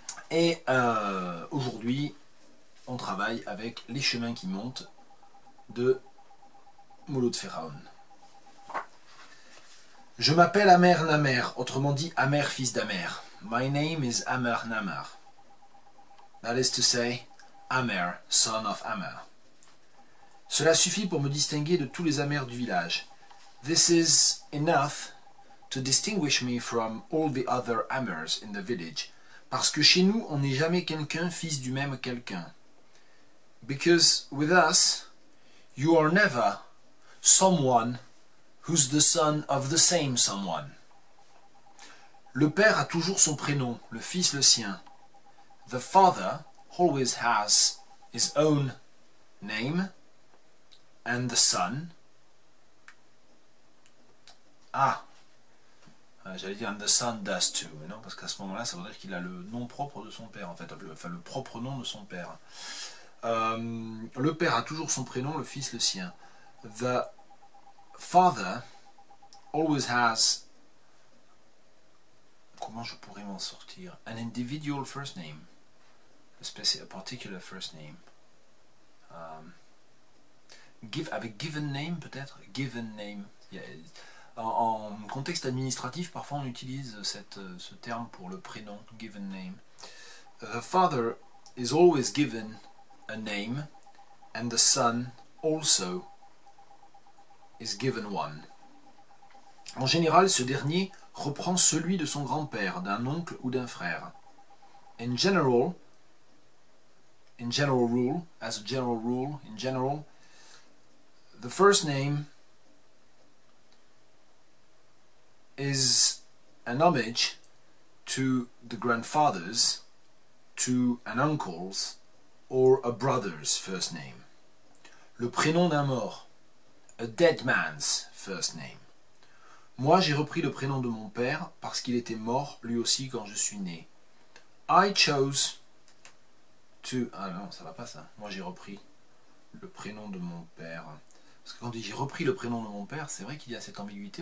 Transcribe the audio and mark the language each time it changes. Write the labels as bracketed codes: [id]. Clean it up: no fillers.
[fr] Et aujourd'hui, on travaille avec Les chemins qui montent de Mouloud Feraoun. Je m'appelle Amer Namer, autrement dit Amer fils d'Amer. [en] My name is Amer Namer. That is to say, Amer, son of Amer. [fr] Cela suffit pour me distinguer de tous les Amers du village. [en] This is enough to distinguish me from all the other Amers in the village. [fr] Parce que chez nous, on n'est jamais quelqu'un fils du même quelqu'un. [en] Because with us, you are never someone who's the son of the same someone. [fr] Le père a toujours son prénom, le fils le sien. [en] The father always has his own name and the son. [fr] Ah, j'allais dire [en] and the son does too, [fr] mais non, parce qu'à ce moment-là, ça veut dire qu'il a le nom propre de son père, en fait, enfin le propre nom de son père. Le père a toujours son prénom, le fils le sien. [en] The father always has, [fr] comment je pourrais m'en sortir? [en] An individual first name. A particular first name. [fr] Avec [en] given name, [fr] peut-être? [en] Given name. Yeah. [fr] En contexte administratif, parfois on utilise ce terme pour le prénom, given name. [en] The father is always given a name, and the son also is given one. [fr] En général, ce dernier reprend celui de son grand-père, d'un oncle ou d'un frère. [en] In general, the first name is an homage to the grandfather's, to an uncle's, or a brother's first name. [fr] Le prénom d'un mort, [en] a dead man's first name. [fr] Moi, j'ai repris le prénom de mon père parce qu'il était mort lui aussi quand je suis né. Ah non, ça va pas ça. Moi, j'ai repris le prénom de mon père. Parce que quand on dit j'ai repris le prénom de mon père, c'est vrai qu'il y a cette ambiguïté.